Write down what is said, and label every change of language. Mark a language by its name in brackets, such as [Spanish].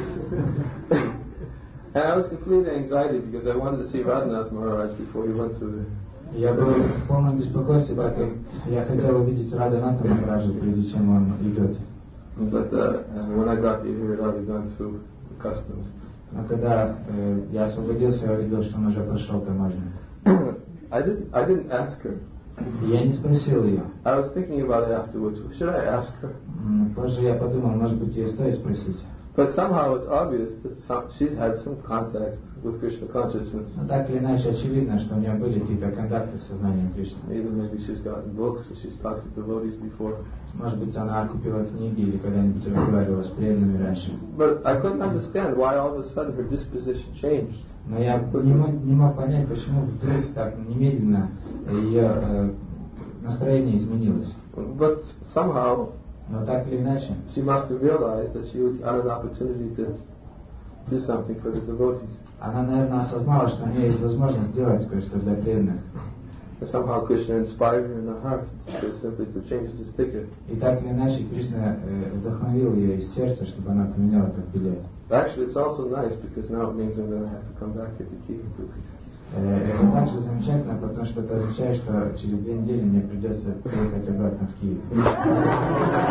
[English] And I was completely anxiety because I wanted to see Radhanath Maharaj before he went to the. [Russian] Я был в полном беспокойстве, так как я хотел увидеть Радханата Махараджа, прежде чем он идет. [English] But when I got here, he'd already gone through the customs. [Russian] Но когда я освободился, я увидел, что он уже прошел таможню. [English] I didn't ask her. [Russian] Я не спросил ее. [English] I was thinking about it afterwards. Should I ask her? [Russian] Позже я подумал, может быть, ее стоит спросить. [English] But somehow it's obvious that she's had some contact with Krishna consciousness. [Russian] Так или иначе, очевидно, что у нее были какие-то контакты с сознанием Кришны. [English] Either maybe she's gotten books or she's talked to devotees before. [Russian] Может быть, она купила книги или когда-нибудь разговаривала с преданными раньше. [English] But I couldn't understand why all of a sudden her disposition changed. [Russian] Но я не мог понять, почему вдруг так немедленно ее настроение изменилось. [English] But somehow, [Russian] но так или иначе, [English] she must have realized that she was out of opportunity to do something for the devotees. [Russian] Она, наверное, осознала, что у нее есть возможность сделать кое-что для преданных. [English] And somehow Krishna inspired her in the heart to simply to change this ticket. [Russian] И так или иначе, Кришна вдохновил ее из сердца, чтобы она поменяла этот билет. [English] Actually, it's also nice because now it means I'm going to have to come back here to keep it 2 weeks. [Russian] Это также замечательно, потому что это означает, что через 2 недели мне придется приехать обратно в Киев.